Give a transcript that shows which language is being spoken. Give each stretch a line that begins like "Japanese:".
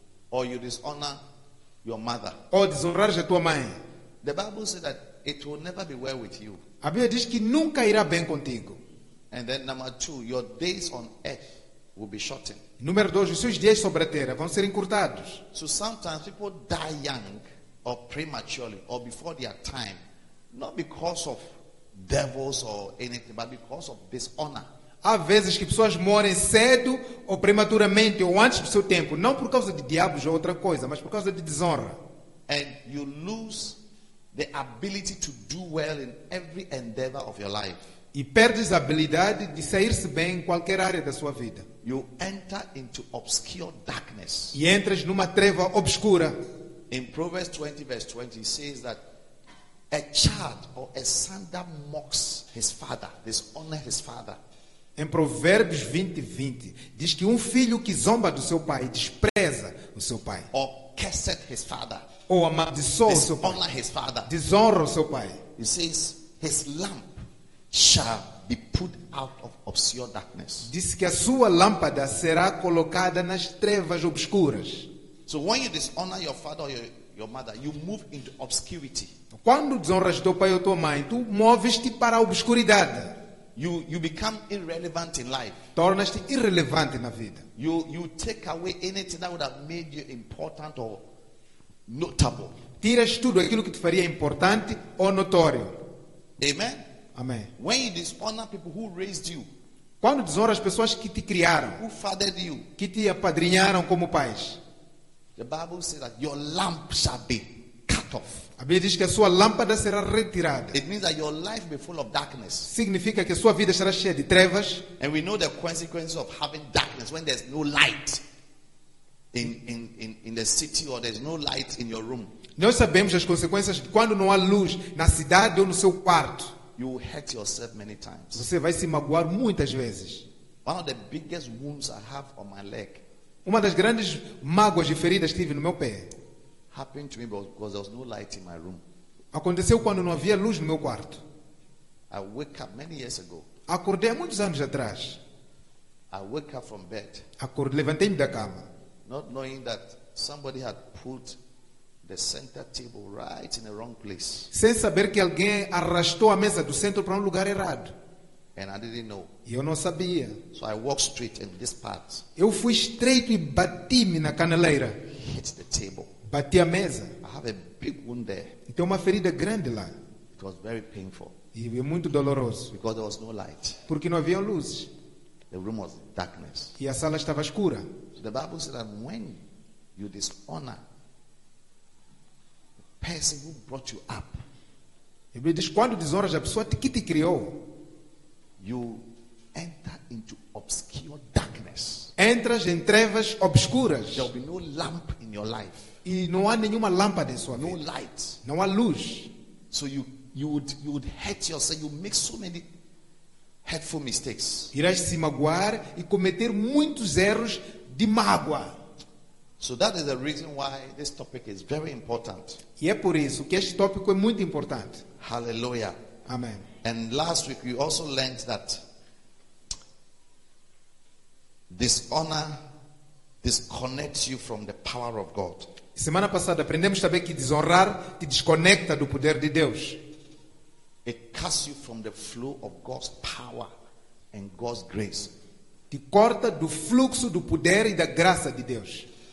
English: or you dishonor your mother.
Portuguese: Ou desonrares a tua mãe.
English: The Bible says that it will never be well with you.
Portuguese: A Bíblia diz que nunca irá bem contigo.
English: And then number two, your days on earth will be shortened.
Portuguese: Número dois, os seus dias sobre a terra vão ser encurtados.
English: So sometimes people die young or prematurely or before their time, not because of devils or anything, but because of dishonor.
Portuguese: Há vezes que pessoas morrem cedo ou prematuramente ou antes do seu tempo, não por causa de diabos ou outra coisa, mas por causa de desonra.
English: And you lose the ability to do well in every endeavor of your life.
Portuguese: E perdes a habilidade de sair-se bem em qualquer área da sua vida.
English: You enter into obscure darkness.
Portuguese: E entras numa treva obscura.
English: In Proverbs 20 verse 20 says that a child or a son that mocks his father, dishonors his father.
Portuguese: Em Provérbios 20, 20, diz que um filho que zomba do seu pai, despreza o seu pai.
English: Or curses his father.
Portuguese: Ou amaldiçoa o seu pai.
English: Dishonor his father.
Portuguese: Desonra o seu pai.
English: He says, his lamp shall be put out of obscure darkness.
Portuguese: Diz que a sua lâmpada será colocada nas trevas obscuras.
English: So when you dishonor your father or your mother, you move into obscurity.
Portuguese: Quando desonras teu pai ou tua mãe, tu moves-te para a obscuridade.
English: You become irrelevant in life.
Portuguese: Tornas-te irrelevante na vida.
English: You take away anything that would have made you important or notable.
Portuguese: Tiras tudo aquilo que te faria importante ou notório.
English: Amen.
Portuguese: Amém.
English: When you dishonor people who raised you.
Portuguese: Quando desonras as pessoas que te criaram.
English: Who fathered you.
Portuguese: Que te apadrinharam como pais.
English: The Bible says that your lamp shall be cut off.
Portuguese: A Bíblia diz que a sua lâmpada será retirada.
English: It means that your life be full of darkness.
Portuguese: Significa que a sua vida será cheia de trevas.
English: And we know the consequences of having darkness when there's no light in the city or there's no light in your room.
Portuguese: Nós sabemos as consequências de quando não há luz na cidade ou no seu quarto.
English: You will hurt yourself many times.
Portuguese: Você vai se magoar muitas vezes.
English: One of the biggest wounds I have on my leg.
Portuguese: Uma das grandes mágoas e feridas que tive no meu pé.
English: Happened to me because there was no light in my room.
Portuguese: Aconteceu quando não havia luz no meu quarto.
English: I woke up many years ago.
Portuguese: Acordei há muitos anos atrás.
English: I woke up from bed.
Portuguese: Levantei-me da cama.
English: Not knowing that somebody had put the center table right in the wrong place.
Portuguese: Sem saber que alguém arrastou a mesa do centro para lugar errado.
English: And I didn't know.
Portuguese: Eu não sabia.
English: So I walked straight in this part.
Portuguese: Eu fui estreito e bati-me na caneleira.
English: Hit the table.
Portuguese: Bati a mesa.
English: I have a big wound there.
Portuguese: E tem uma ferida grande lá.
English: It was very painful.
Portuguese: E foi muito doloroso.
English: Because there was no light.
Portuguese: Porque não havia luz.
English: The room was darkness.
Portuguese: E a sala estava escura.
English: So the Bible says that when you dishonor the person who brought you up,
Portuguese: a Bíblia diz, quando desonras a pessoa que te criou,
English: you enter into obscure darkness.
Portuguese: Entras em trevas obscuras.
English: There will be no lamp in your life.
Portuguese: E não há nenhuma lâmpada em sua vida.
English: No light.
Portuguese: Não há luz.
English: So you would hurt yourself. You make so many hurtful mistakes.
Portuguese: Irás se magoar e cometer muitos erros de mágoa.
English: So that is the reason why this topic is very important.
Portuguese: E é por isso que este tópico é muito importante.
English: Hallelujah.
Portuguese: Amen.
English: And last week we also learned that dishonor disconnects you from the power of God.
Portuguese: Semana passada aprendemos também que desonrar te desconecta do poder de Deus.
English: It cuts you from the flow of God's power and God's grace.
Portuguese: Te corta do fluxo do poder e da graça de Deus.